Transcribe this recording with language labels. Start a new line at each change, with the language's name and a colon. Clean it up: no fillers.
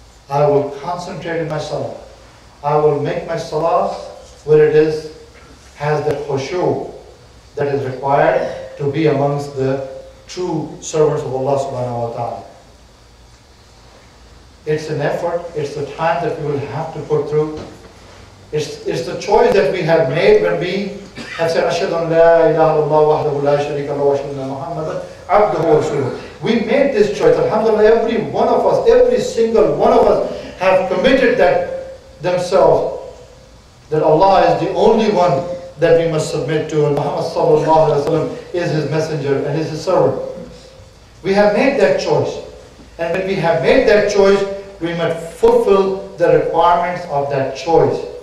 English: I will concentrate in my salah. I will make my salah where it is, has the khushu that is required to be amongst the true servants of Allah subhanahu wa ta'ala. It's an effort, it's the time that we will have to put through. It's the choice that we have made when we
Arabic: حسن أشهد أن لا إله إلا الله وحده لا شريك له وأشهد أن محمدا عبده ورسوله.
English: We made this choice. Alhamdulillah, every one of us, every single one of us have committed that themselves, that Allah is the only one that we must submit to, and Muhammad sallallahu alayhi wa sallam is his messenger and is his servant. We have made that choice. And when we have made that choice, we must fulfill the requirements of that choice.